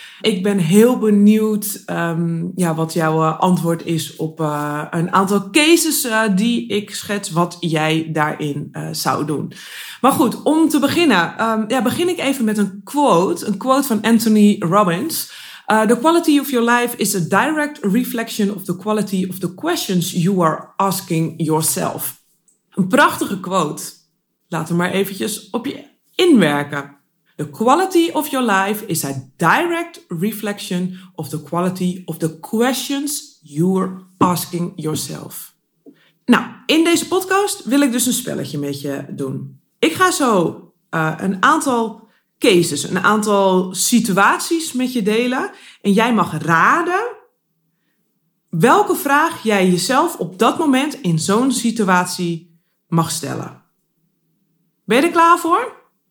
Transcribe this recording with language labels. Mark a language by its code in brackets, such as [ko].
[nl] Ik ben heel benieuwd wat jouw antwoord is op een aantal cases die ik schets, wat jij daarin zou doen. Maar goed, om te beginnen, begin ik even met een quote van Anthony Robbins. [en] The quality of your life is a direct reflection of the quality of the questions you are asking yourself. [nl] Een prachtige quote. Laat hem maar eventjes op je inwerken. [en] The quality of your life is a direct reflection of the quality of the questions you're asking yourself. [nl] Nou, in deze podcast wil ik dus een spelletje met je doen. Ik ga zo een aantal cases, een aantal situaties met je delen. En jij mag raden welke vraag jij jezelf op dat moment in zo'n situatie mag stellen. Ben je er klaar voor?